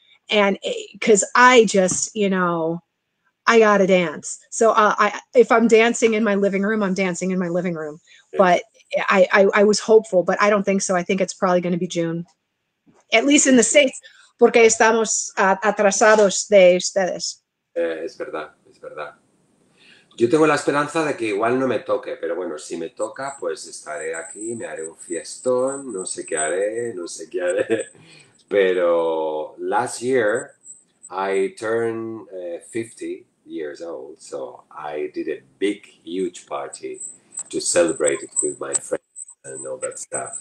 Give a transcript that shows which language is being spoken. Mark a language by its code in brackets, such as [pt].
[en] And because I just, you know, I gotta dance. So if I'm dancing in my living room, I'm dancing in my living room. But I was hopeful, but I don't think so. I think it's probably going to be June, at least in the States, [es] porque estamos atrasados de ustedes. Es verdad. Yo tengo la esperanza de que igual no me toque, pero bueno, si me toca, pues estaré aquí, me haré un fiestón, no sé qué haré. Pero [en] last year, I turned 50 years old, so I did a big, huge party to celebrate it with my friends and all that stuff.